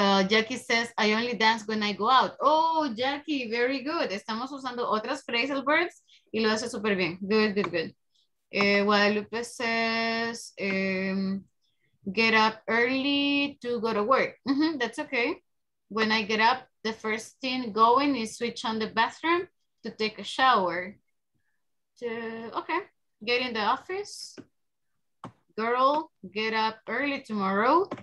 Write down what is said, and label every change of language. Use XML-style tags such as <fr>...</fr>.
<en>Jackie says, I only dance when I go out. Oh, Jackie, very good.</en> <es>Estamos usando otras phrasal verbs y lo hace súper bien.</es> <en>Good, good, good. Guadalupe says, get up early to go to work. Mm-hmm, that's okay. When I get up, the first thing going is switch on the bathroom to take a shower. Okay, get in the office. Girl, get up early tomorrow.</en>